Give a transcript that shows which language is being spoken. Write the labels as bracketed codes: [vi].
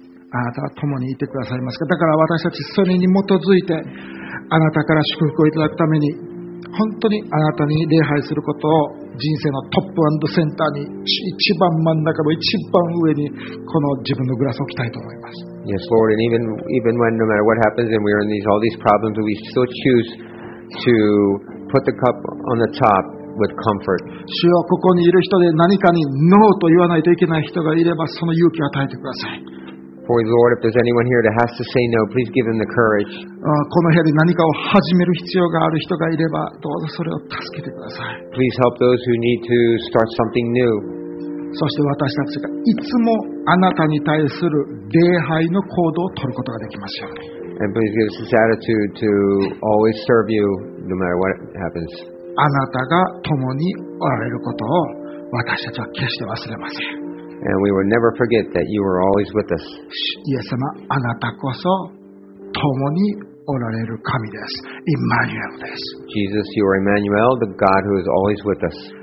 [ja] あなたは共にいてくださいますか。だから私たちそれに基づいてあなたから祝福をいただくために本当にあなたに礼拝することを人生のトップ&センターに一番真ん中の一番上にこの自分のグラスを置きたいと思います。 [en] Yes, Lord, and even when no matter what happens and we are in all these problems, we still choose to put the cup on the top with comfort. [ja] 主よ、ここにいる人で何かにノーと言わないといけない人がいればその勇気を与えてください。 [en] For Lord, if there's anyone here that has to say no, please give them the courage. [ja] この部屋で何かを始める必要がある人がいればどうぞそれを助けてください。 [en] Please help those who need to start something new. [ja] そして私たちがいつもあなたに対する礼拝の行動を取ることができますように。 [en] And please give us this attitude to always serve you no matter what happens. [ja] あなたが共におられることを私たちは決して忘れません。 [en] And we will never forget that you are always with us. [ja] イエス様、あなたこそ共におられる神です。イマニュエルです。 [en] Jesus, you are Emmanuel, the God who is always with us.